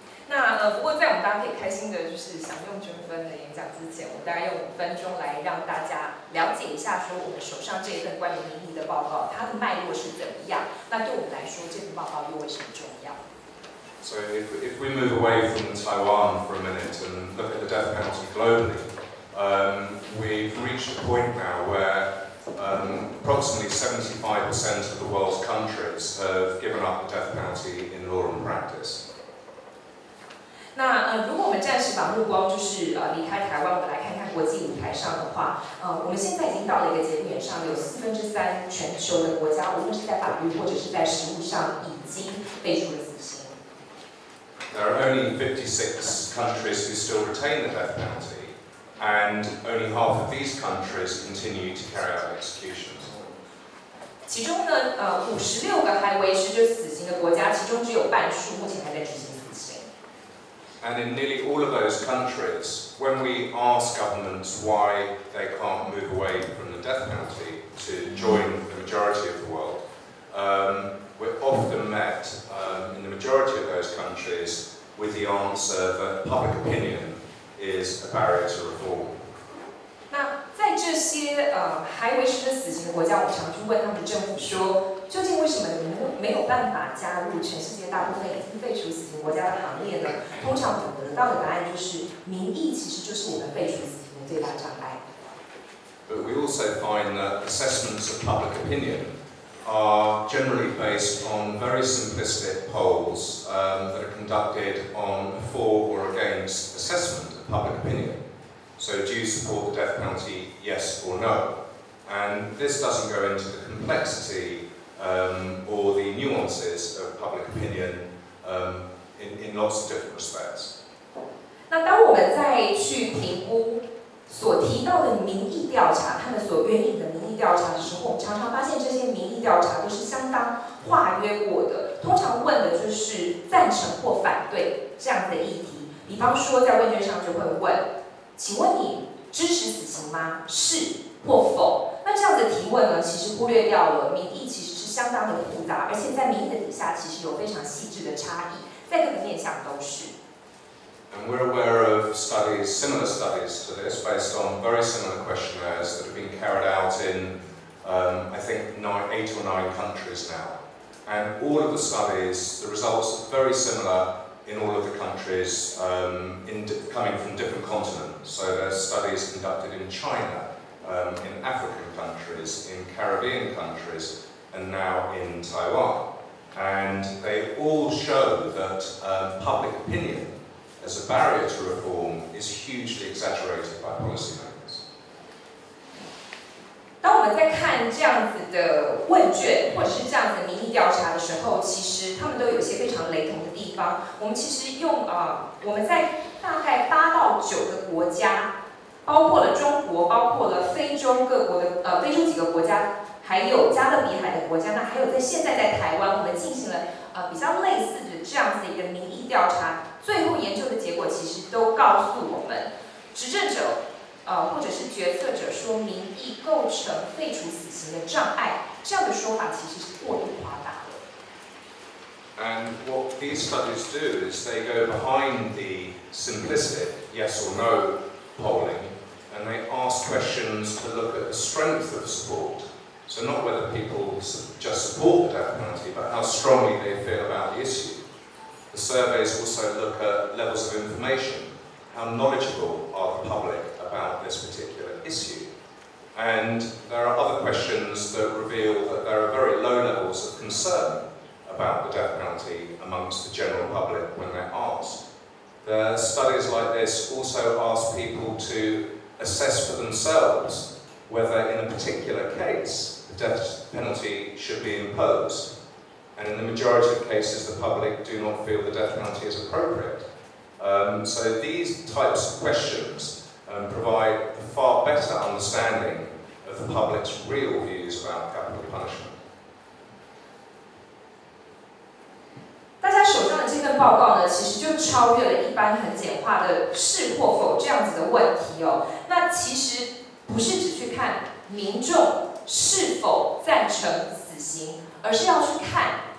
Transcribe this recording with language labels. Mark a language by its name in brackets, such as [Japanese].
[Chinese] 那不过在我们大家可以开心的就是想用娟芬的演讲之前，我大概用5分钟来让大家了解一下说我们手上这一份关于民意的报告它的脉络是怎么样，那对我们来说这份报告又为什么重要。 [English] So if we move away from Taiwan for a minute and look at the death penalty globally, we've reached a point now whereapproximately 75% of the world's countries have given up the death penalty in law and practice. [Chinese] 那如果我们暂时把目光就是离开台湾，我们来看看国际舞台上的话，我们现在已经到了一个节点上，有3/4全球的国家，无论是在法律或者是在实务上，已经废除了死刑。 [English] There are only 56 countries who still retain the death penalty. And only half of these countries continue to carry out executions. [Chinese] 其中呢，56个还维持着死刑的国家，其中只有半数目前还在执行死刑。 [English] And in nearly all of those countries, when we ask governments why they can't move away from the death penalty to join the majority of the world, we're often met in the majority of those countries with the answer that public opinion. Is a barrier to reform. [Chinese] 那在这些还维持着死刑的国家，我常去问他们政府说，究竟为什么没有办法加入全世界大部分已经废除死刑国家的行列呢？通常我得到的答案就是，民意其实就是我们废除死刑的最大障碍。 [English] But we also find that assessments of public opinion are generally based on very simplistic polls that are conducted on a for or against assessment of public opinion. So do you support the death penalty, yes or no? And this doesn't go into the complexity or the nuances of public opinion in lots of different respects. [Chinese] 那当我们再去评估所提到的民意调查，他们所援引的民意调查的时候，我们常常发现这些民意调查都是相当化约过的，通常问的就是赞成或反对这样的议题。比方说在问卷上就会问，请问你支持死刑吗？是或否？那这样的提问呢，其实忽略掉了民意其实是相当的复杂，而且在民意的底下其实有非常细致的差异，在各个面向都是。 [English] And we're aware of studies, similar studies to this, based on very similar questionnaires that have been carried out in, I think, eight or nine countries now. And all of the studies, the results are very similar in all of the countries coming from different continents. So there's studies conducted in China, in African countries, in Caribbean countries, and now in Taiwan. And they all show that public opinion as a barrier to reform is hugely exaggerated by policymakers. [Chinese] 当我们在看这样子的问卷或是这样子的民意调查的时候，其实他们都有些非常雷同的地方。我们其实用我们在大概八到九个国家，包括了中国，包括了非洲各国的非洲几个国家，还有加勒比海的国家，那还有在现在在台湾，我们进行了比较类似的这样子的一个民意调查。最后研究的结果其实都告诉我们，执政者，或者是决策者说民意构成废除死刑的障碍，这样的说法其实是过度夸大的。 [English] And what these studies do is they go behind the simplistic yes or no polling, and they ask questions to look at the strength of support. So not whether people just support the death penalty, but how strongly they feel about the issue. The surveys also look at levels of information, how knowledgeable are the public about this particular issue. And there are other questions that reveal that there are very low levels of concern about the death penalty amongst the general public when they're asked. There are studies like this also ask people to assess for themselves whether in a particular case the death penalty should be imposed. And in the majority of cases, the public do not feel the death penalty is appropriate. So these types of questions provide a far better understanding of the public's real views about capital punishment. [Chinese] 大家手上的这份报告呢，其实就超越了一般很简化的是或否这样子的问题哦。那其实不是只去看民众是否赞成死刑，而是要去看。